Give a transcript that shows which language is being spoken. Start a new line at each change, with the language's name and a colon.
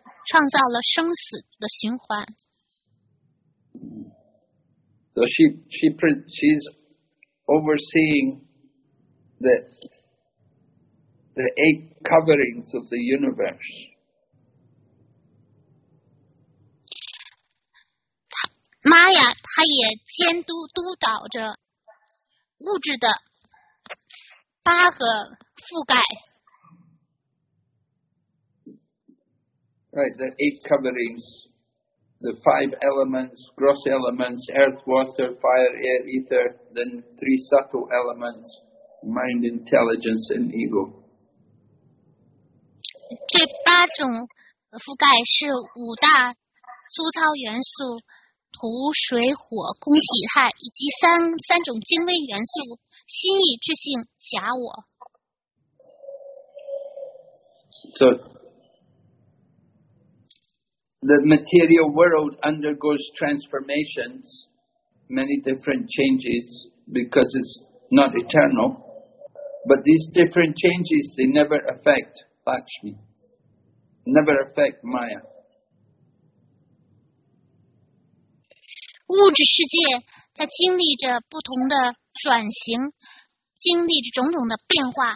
Chinese: 创造了生死的循环。
English: So she's overseeing the eight coverings of the universe.
Chinese: 妈呀，她也监督督导着物质的八个覆盖。
English: Right, the eight coverings, the five elements, gross elements, earth, water, fire, air, ether, then three subtle elements, mind, intelligence, and ego.
Chinese: 这八种覆盖是五大粗糙元素，土、水、火、空、体态，以及三种精微元素，心意、智性、假我。
English: So,The material world undergoes transformations, many different changes, because it's not eternal. But these different changes, they never affect Lakshmi, never affect Maya.
Chinese: 物质世界在经历着不同的转型，经历着种种的变化。